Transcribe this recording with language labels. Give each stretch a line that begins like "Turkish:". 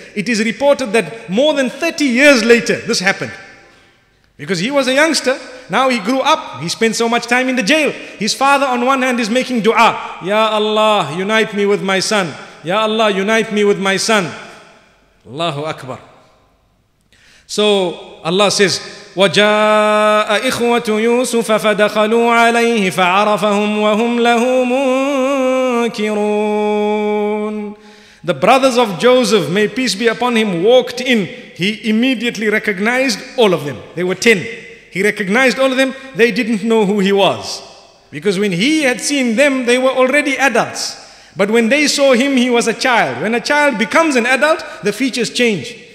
English: It is reported that more than 30 years later, this happened. Because he was a youngster. Now he grew up. He spent so much time in the jail. His father on one hand is making dua. Ya Allah, unite me with my son. Ya Allah, unite me with my son. Allahu Akbar. So Allah says,
Arabic: وَجَاءَ إِخْوَةُ يُوسُفَ فَدَخَلُوا عَلَيْهِ فَعَرَفَهُمْ وَهُمْ لَهُ مُنْكِرُونَ.
English: The brothers of Joseph, may peace be upon him, walked in. He immediately recognized all of them. They were 10. He recognized all of them. They didn't know who he was. Because when he had seen them, they were already adults. But when they saw him, he was a child. When a child becomes an adult, the features change.